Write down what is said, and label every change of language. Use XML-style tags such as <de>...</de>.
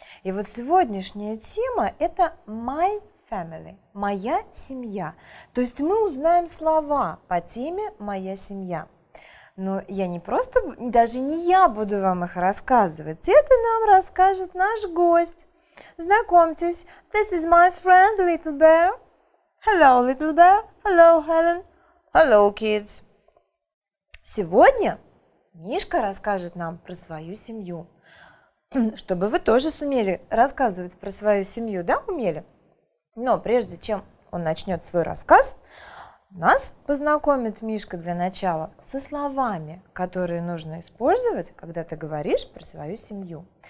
<ru>И вот сегодняшняя тема – это</ru> <en>my family,</en> <ru>моя семья. То есть мы узнаем слова по теме «моя семья». Но я не просто, даже не я буду вам их рассказывать, это нам расскажет наш гость. Знакомьтесь,</ru> <en>this is my friend Little Bear. Hello, Little Bear. Hello, Helen. Hello, kids.</en> <ru>Сегодня Мишка расскажет нам про свою семью. Чтобы вы тоже сумели рассказывать про свою семью, да, умели? Но прежде чем он начнет свой рассказ, нас познакомит Мишка для начала со словами, которые нужно использовать, когда ты говоришь про свою семью.</ru>